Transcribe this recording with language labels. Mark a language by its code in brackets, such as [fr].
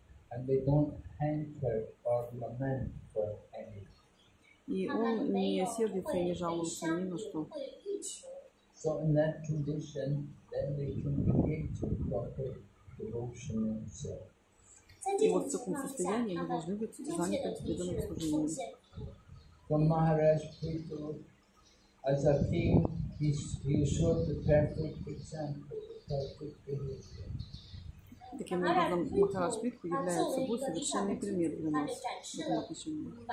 [en] And they don't hanker or lament for anything. [ru] И он не сердится и не жалуется ни на что. [en] So in that condition, then they can begin to proper devotion themselves. [ru] И вот в таком состоянии они должны быть заняты преданным служением. [en] When Maharaj Prithu, as a king, he showed the perfect example, the perfect behavior. [ru] Таким образом, Махарадж Прихту являет собой совершенный пример для нас в этом отношении.